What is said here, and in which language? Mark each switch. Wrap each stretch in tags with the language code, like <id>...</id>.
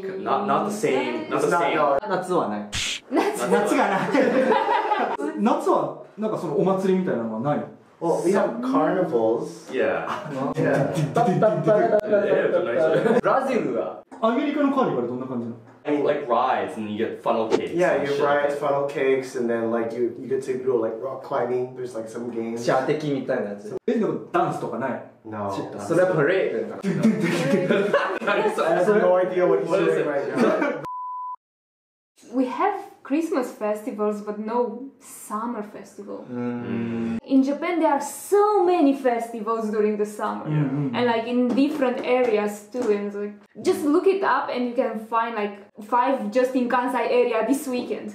<en>Not the same. Not the same.</en> <ja>夏はない。夏がない。夏はなんかそのお祭りみたいなのはない。</ja> <en>Well, we have carnivals. Yeah.</en> <ja>ブラジルは？アメリカのカーニバルどんな感じなの？</ja> <en>Like rides and you get funnel cakes. Yeah, you ride funnel cakes and then like you get to do like rock climbing. There's like some games.</en> <ja>シャー的みたいなやつ。え、でもダンスとかない？</ja> <en>No.</en> <ja>それはパレード。</ja> <en>I have no idea what you're doing right now. We have Christmas festivals but no summer festival. In Japan there are so many festivals during the summer. And like in different areas too. And like just look it up and you can find like five just in Kansai area this weekend.</en>